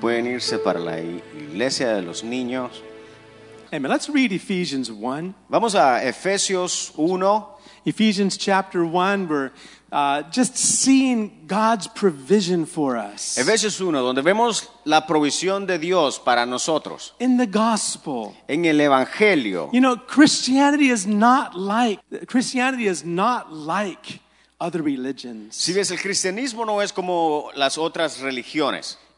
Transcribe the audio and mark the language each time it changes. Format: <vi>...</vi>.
<es>Pueden irse para la iglesia de los niños.</es> <en>Amen. Let's read Ephesians 1.</en> <es>Vamos a Efesios 1.</es> <en>Ephesians chapter 1, we're just seeing God's provision for us.</en> <es>Efesios 1, donde vemos la provisión de Dios para nosotros.</es> <en>In the gospel.</en> <es>En el evangelio.</es> <en>You know, Christianity is not like other religions.</en> <es>Si ves, el cristianismo no es como las otras religiones.</es>